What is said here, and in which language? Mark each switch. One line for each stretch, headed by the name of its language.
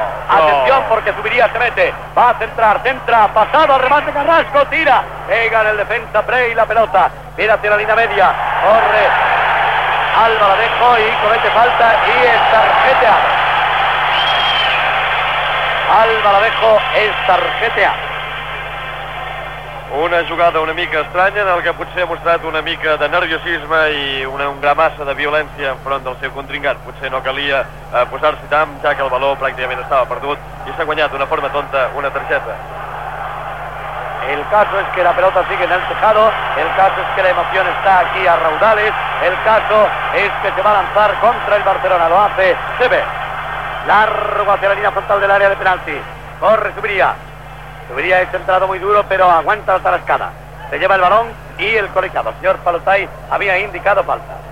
Spanish: Atención, porque subiría, se mete. Va a centrar, centra, pasado, remate Carrasco, tira. Pega en el defensa, Prey, la pelota. Mira hacia la línea media. Corre. Alba la dejó y comete falta y está tarjeteado. Alba la dejó, es tarjeteado.
Catalan: Una jugada una mica estranya en el que potser ha mostrat una mica de nerviosisme i una gran massa de violència enfront del seu contrincant. Potser no calia posar-s'hi tant, ja que el baló pràcticament estava perdut i s'ha guanyat d'una forma tonta una targeta.
Spanish: El caso es que la pelota sigue en el tejado, el caso es que la emoción está aquí a raudales, el caso es que se va a lanzar contra el Barcelona, lo hace Sebe. Largo hacia la línea frontal del área de penalti, corre, subiría. Subiría este entrado muy duro, pero aguanta la tarascada. Se lleva el balón y el colegiado. El señor Palotay había indicado falta.